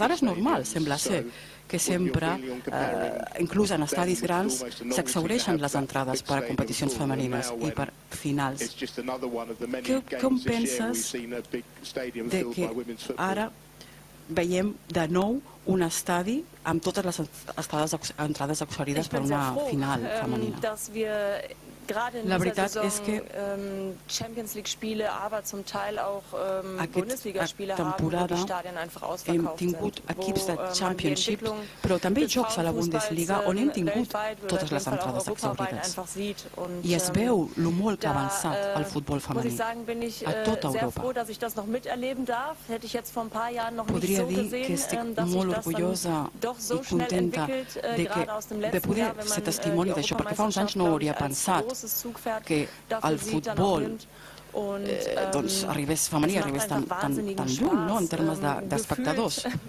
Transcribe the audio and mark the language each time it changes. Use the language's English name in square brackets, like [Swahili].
[Catalan] Ara és normal, sembla ser, que sempre, inclús en estadis grans, s'exhaureixen les entrades per a competicions femenines i per finals. Com penses de que ara veiem de nou un estadi amb totes les entrades exhaurides per una final femenina? La veritat és que [German] Champions League Spiele, aber zum Teil auch Bundesliga Spiele haben, wo die Stadien einfach ausverkauft sind. [Catalan] Hem tingut equips de Championship, però també jocs a la Bundesliga on hem tingut totes les entrades exaurides. I es veu lo molt que ha avançat el futbol femení a tota Europa. Podria dir que estic molt orgullosa i contenta de poder ser testimoni d'això, perquè fa uns anys no ho hauria pensat, que el futbol doncs arribés femení, arribés tan lluny, no, en termes d'espectadors.